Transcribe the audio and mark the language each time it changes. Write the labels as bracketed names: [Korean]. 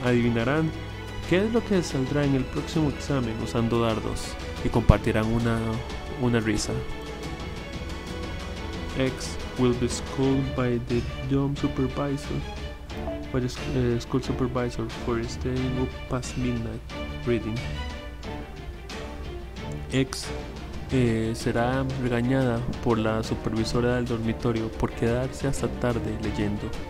[Spanish] Adivinarán qué es lo que saldrá en el próximo examen usando dardos y compartirán una risa. [English] X will be scolded by the dorm supervisor, by the school supervisor for staying up past midnight reading. [Spanish] X será regañada por la supervisora del dormitorio por quedarse hasta tarde leyendo.